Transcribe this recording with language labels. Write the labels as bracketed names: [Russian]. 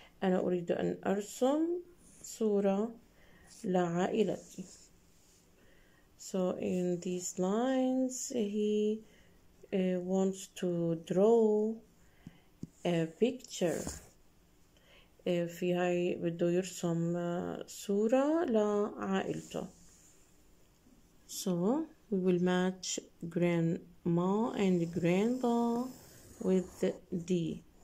[Arabic] أنا أريد أن أرسم صورة لعائلتي. [English] So in these lines, he wants to draw a picture. [Arabic] في هاي بده يرسم صورة لعائلته. [English] So we will match grandma and grandpa with D.